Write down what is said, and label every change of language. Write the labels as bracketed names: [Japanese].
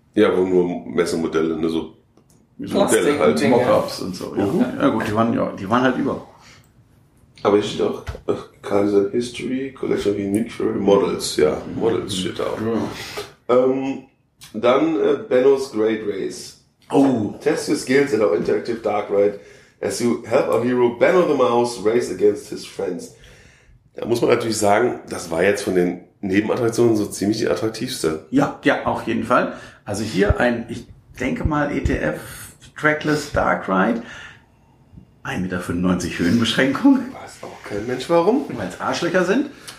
[German] Ja, wo nur Messemodelle, ne, so Modelle halt. Mockups und so. Uh-huh. Ja, gut, die waren halt über. Aber hier steht auch Kaiser History, Collection of Unique Ferrari Models, ja, Models steht da auch. Ja. Dann Benno's Great Race. Oh. [English] Test your skills at our interactive dark ride as you help our hero Benno the Mouse race against his friends. [German] Da muss man natürlich sagen, das war jetzt von den Nebenattraktionen so ziemlich die attraktivste. Ja, auf jeden Fall. Also hier ein, ich denke mal, ETF Trackless Dark Ride. 1,95 Meter Höhenbeschränkung. Weiß auch kein Mensch warum. Weil es Arschlöcher sind.